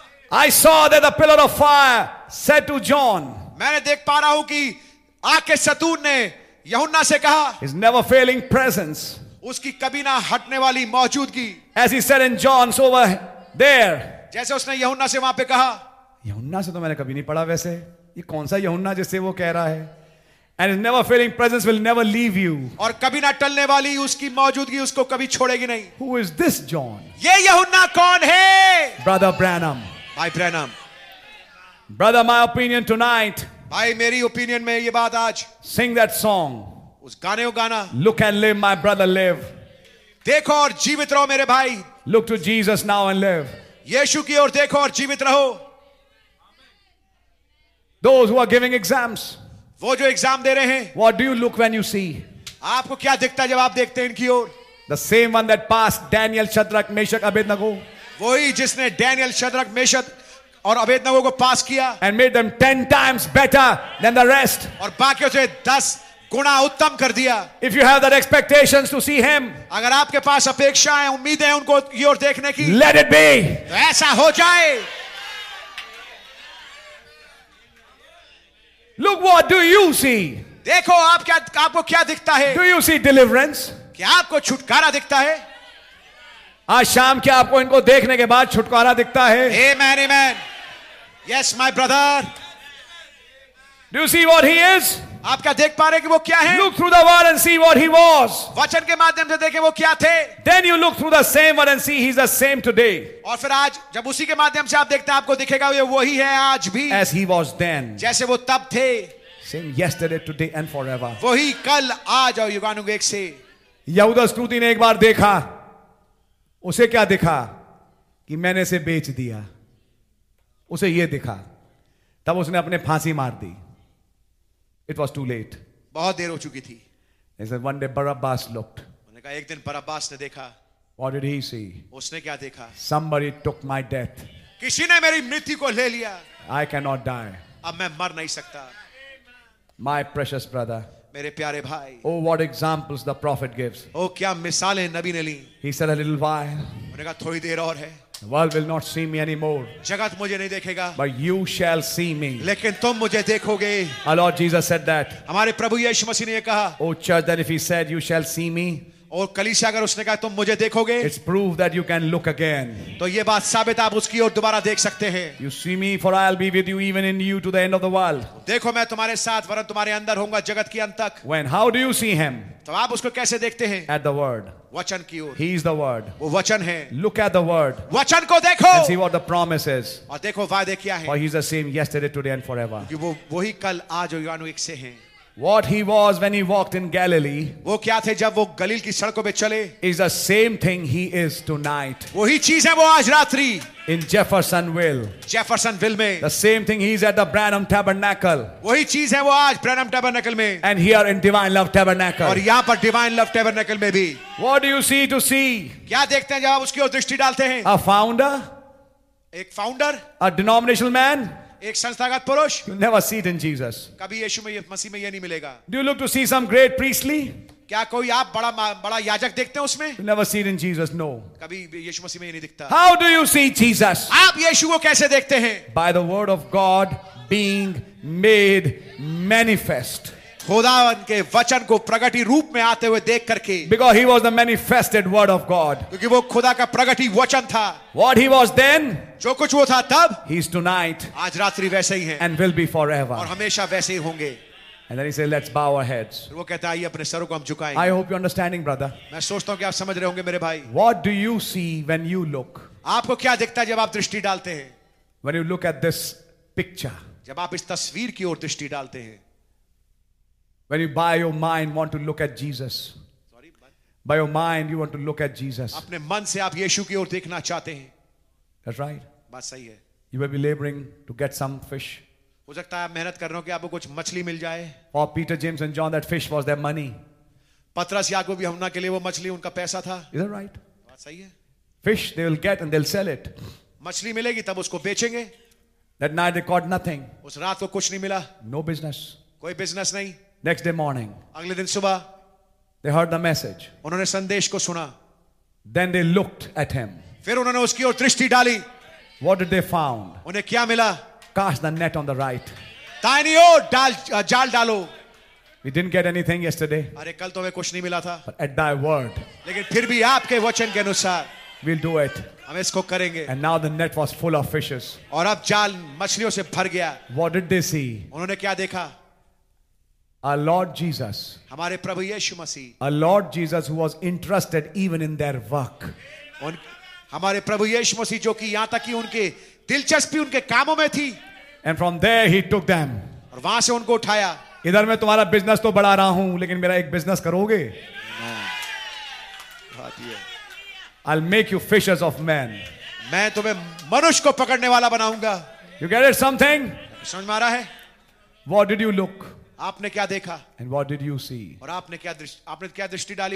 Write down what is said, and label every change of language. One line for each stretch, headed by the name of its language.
English: I saw that the pillar of fire said to John.
Hindi: मैंने देख पा रहा हूं कि आके सतून ने यहुन्ना से कहा.
English: His never failing presence.
Hindi: उसकी कभी ना हटने वाली मौजूदगी.
English: As he said in John's over there.
Hindi: जैसे उसने यहुन्ना से वहां पे कहा. यहुन्ना से तो मैंने कभी नहीं पढ़ा वैसे. ये कौन सा यहुन्ना जिससे वो कह रहा है?
English: And his never failing presence will never leave you.
Hindi: और कभी ना टलने वाली उसकी मौजूदगी उसको कभी छोड़ेगी नहीं.
English: Who is this John?
Hindi: ये यहुन्ना कौन है?
English: Brother Branham.
Hindi: भाई Branham.
English: Brother, my opinion tonight.
Hindi: भाई मेरी ओपिनियन में ये बात आज.
English: Sing that song.
Hindi: उस गाने को गाना.
English: Look and live, my brother, live.
Hindi: देखो और जीवित रहो मेरे भाई.
English: Look to Jesus now and live.
Hindi: यीशु की ओर देखो और जीवित रहो.
English: Those who are giving exams.
Hindi: वो जो एग्जाम दे रहे हैं.
English: What do you look when you see?
Hindi: आपको क्या दिखता जब आप देखते हैं इनकी ओर?
English: The same one that passed Daniel, Shadrach, Meshach, Abednego.
Hindi: वही जिसने डैनियल, शद्रक, मेशक और अबेदनगो को पास किया.
English: And made them 10 times better than the rest.
Hindi: और बाकियों से 10 गुना उत्तम कर दिया.
English: If you have that expectations to see him.
Hindi: अगर आपके पास अपेक्षाएं, उम्मीदें उनको की ओर देखने की.
English: Let it be.
Hindi: तो ऐसा हो जाए.
English: Look what do you see?
Hindi: देखो आप क्या, आपको क्या दिखता है?
English: Do you see deliverance?
Hindi: क्या आपको छुटकारा दिखता है? आज शाम क्या आपको इनको देखने के बाद छुटकारा दिखता है?
English: Amen, amen. Yes, my brother. Do you see what he is?
Hindi: आप क्या देख पा रहे कि वो क्या है?
English: Look through the word and see what he was.
Hindi: वचन के माध्यम से देखे वो क्या थे?
English: Then you look through the same word and see he's the same today.
Hindi: और फिर आज जब उसी के माध्यम से आप देखते हैं आपको दिखेगा ये वही है आज भी.
English: As he was then.
Hindi: जैसे वो तब थे.
English: Same yesterday, today and forever.
Hindi: वही कल, आज और युगानुयुग से. यहूदा स्क्रूती ने एक बार देखा, उसे क्या दिखा कि मैंने इसे बेच दिया. उसे यह दिखा, तब उसने अपने फांसी मार दी.
English: It was too late.
Hindi: बहुत देर हो चुकी थी.
English: One day Barabbas looked.
Hindi: उन्होंने कहा एक दिन बरअब्बास ने देखा.
English: What did he see?
Hindi: उसने क्या देखा?
English: Somebody took my death.
Hindi: किसी ने मेरी मृत्यु को ले लिया.
English: I can not die.
Hindi: अब मैं मर नहीं सकता.
English: My precious brother.
Hindi: मेरे प्यारे भाई.
English: Oh, what examples the prophet gives.
Hindi: Oh, क्या मिसालें नबी ने ली.
English: He said a little while.
Hindi: उन्होंने कहा थोड़ी देर और है.
English: The world will not see me anymore.
Hindi: जगत मुझे नहीं देखेगा.
English: But you shall see me.
Hindi: लेकिन तुम मुझे देखोगे.
English: Our Lord Jesus said that.
Hindi: हमारे प्रभु यीशु मसीह ने ये कहा.
English: Oh, church, then if he said you shall see me.
Hindi: और कलीसिया अगर उसने कहा तुम मुझे देखोगे.
English: It's proof that you can look again.
Hindi: तो ये बात साबित आप उसकी ओर दोबारा देख सकते हैं.
English: You see me for I'll be with you even in you to the end of the world.
Hindi: देखो मैं तुम्हारे साथ वरन तुम्हारे अंदर होऊंगा जगत के अंत तक.
English: When how do you see him?
Hindi: तो आप उसको कैसे देखते हैं?
English: At the word.
Hindi: वचन की ओर.
English: He is the word.
Hindi: वो वचन है.
English: Look at the word.
Hindi: वचन को देखो.
English: And see what the promise is.
Hindi: और देखो वादे क्या है.
English: For he's the same yesterday, today and forever.
Hindi: वो वही कल, आज और युगानुयुग से है.
English: What he was when he walked in Galilee.
Hindi: वो क्या थे जब वो गलील की सड़कों पे चले.
English: Is the same thing he is tonight.
Hindi: वही चीज है वो आज रात्रि.
English: In Jeffersonville.
Hindi: Jeffersonville में.
English: The same thing he is at the Branham Tabernacle.
Hindi: वही चीज है वो आज Branham Tabernacle में.
English: And here in Divine Love Tabernacle.
Hindi: और यहाँ पर Divine Love Tabernacle में भी.
English: What do you see to see?
Hindi: क्या देखते हैं जब आप उसकी ओर दृष्टि डालते हैं?
English: A founder.
Hindi: एक founder.
English: A denominational man.
Hindi: एक संस्थागत पुरुष.
English: You never see it in Jesus.
Hindi: कभी यीशु में, मसीह में ये नहीं मिलेगा.
English: Do you look to see some great priestly?
Hindi: क्या कोई आप बड़ा याजक देखते हैं उसमें?
English: You never see it in Jesus. No.
Hindi: कभी यीशु मसीह में ये नहीं दिखता.
English: How do you see Jesus?
Hindi: आप यीशु को कैसे देखते हैं?
English: By the word of God being made manifest.
Hindi: खुदावन के वचन को प्रगटी रूप में आते हुए देख करके.
English: Because he was the manifested word of God.
Hindi: क्योंकि वो खुदा का प्रगटी वचन था.
English: What he was then.
Hindi: जो कुछ वो था तब.
English: He is tonight.
Hindi: आज रात्रि वैसे ही है.
English: And will be forever.
Hindi: और हमेशा वैसे ही होंगे.
English: And then he said, let's bow our heads.
Hindi: वो कहता है ये अपने सरों को हम झुकाएं.
English: I hope you're understanding, brother.
Hindi: मैं सोचता हूं कि आप समझ रहे होंगे मेरे भाई.
English: What do you see when you look?
Hindi: आपको क्या दिखता है जब आप दृष्टि डालते हैं?
English: When you look at this picture.
Hindi: जब आप इस तस्वीर की ओर दृष्टि डालते हैं.
English: When you by your mind want to look at Jesus. Sorry, by your mind you want to look at Jesus.
Hindi: अपने मन से आप यीशु की ओर देखना चाहते हैं.
English: That's right.
Hindi: बात सही है.
English: You may be laboring to get some fish.
Hindi: हो सकता है आप मेहनत कर रहे हो कि आपको कुछ मछली मिल जाए.
English: For Peter, James and John that fish was their money.
Hindi: पतरस, याकूब, यूहन्ना के लिए वो मछली उनका पैसा था.
English: Is that right?
Hindi: बात सही है.
English: Fish they will get and they'll sell it.
Hindi: मछली मिलेगी तब उसको बेचेंगे.
English: That night they caught nothing.
Hindi: उस रात को कुछ नहीं मिला.
English: No business.
Hindi: कोई बिजनेस नहीं.
English: Next day morning.
Hindi: अगले दिन सुबह.
English: They heard the message.
Hindi: उन्होंने संदेश को सुना.
English: Then they looked at him.
Hindi: फिर उन्होंने उसकी ओर दृष्टि डाली.
English: What did they found?
Hindi: उन्हें क्या मिला?
English: Cast the net on the right.
Hindi: दाहिनी ओर डाल जाल डालो.
English: We didn't get anything yesterday.
Hindi: अरे कल तो हमें कुछ नहीं मिला था.
English: But at thy word.
Hindi: लेकिन फिर भी आपके वचन के अनुसार.
English: We'll do it.
Hindi: हम इसको करेंगे.
English: And now the net was full of fishes.
Hindi: और अब जाल मछलियों से भर गया.
English: What did they see?
Hindi: उन्होंने क्या देखा?
English: Our Lord Jesus.
Hindi: हमारे प्रभु यीशु मसीह.
English: Our Lord Jesus, who was interested even in their work.
Hindi: हमारे प्रभु यीशु मसीह जो कि यहाँ तक कि उनके दिलचस्पी उनके कामों में थी.
English: And from there he took them.
Hindi: और वहाँ से उनको उठाया. इधर मैं तुम्हारा बिजनेस तो बढ़ा रहा हूँ, लेकिन मेरा एक बिजनेस करोगे?
English: I'll make you fishers of men.
Hindi: मैं तुम्हें मनुष्य को पकड़ने वाला बनाऊंगा. You get it something? समझ में आ रहा है? What did you look? आपने क्या देखा? And what did you see? और आपने क्या दृष्टि डाली?